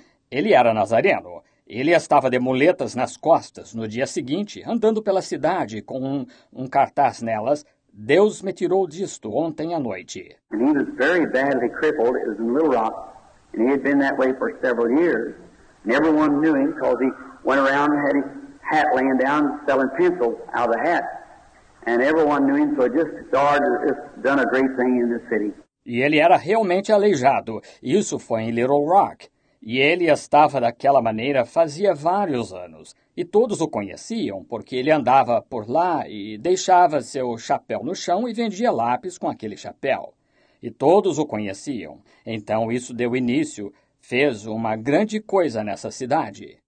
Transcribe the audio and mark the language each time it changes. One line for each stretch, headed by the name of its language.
Portuguese: Ele era nazareno. Ele estava de muletas nas costas no dia seguinte, andando pela cidade com um cartaz nelas. Deus me tirou disto ontem à noite.
English: And he was very badly crippled. It was in Little Rock. And he had been that way for several years. And everyone knew him because he went around and had his hat laying down, selling pencils out of the hat. And everyone knew him, so just God has done a great thing in this city.
Portuguese: E ele era realmente aleijado. Isso foi em Little Rock. E ele estava daquela maneira fazia vários anos. E todos o conheciam, porque ele andava por lá e deixava seu chapéu no chão e vendia lápis com aquele chapéu. E todos o conheciam. Então isso deu início, fez uma grande coisa nessa cidade.